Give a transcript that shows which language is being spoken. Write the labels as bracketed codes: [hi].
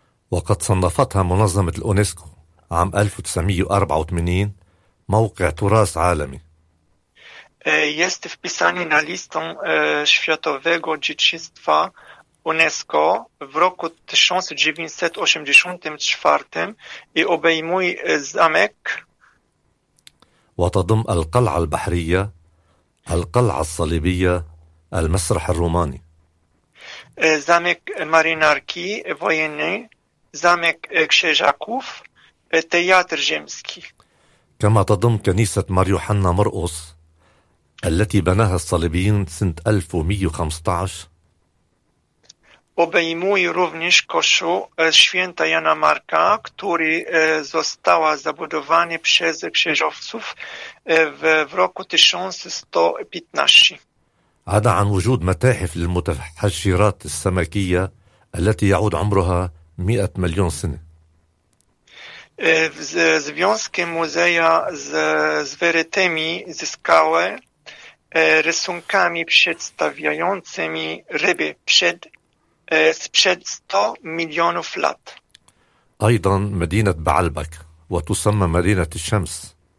[ar] وقد صنفتها منظمة اليونسكو عام 1984 موقع تراث عالمي. [pl] Jest wpisany na listę światowego dziedzictwa UNESCO w roku 1984 i obejmuje zamek. [ar] وتضم القلعة البحرية، القلعة الصليبية، المسرح الروماني. [pl] Zamek marynarki wojennej, zamek krzyżaków, teatr rzymski. [ar] كما تضم كنيسة ماريو حنا مرقص التي بناها الصليبيين سنة 1115. [pl] Obejmuje również kościół Święta Jana Marka, który został zabudowany przez krzyżowców w roku 1115. [ar] عدا عن وجود متاحف للمتحجرات السمكية التي يعود عمرها 100 مليون سنة. [pl] Związkiem muzea z werytymi zyskały rysunkami przedstawiającymi ryby sprzed 100 milionów lat. [ar] أيضا مدينة بعلبك وتسمى مدينة الشمس.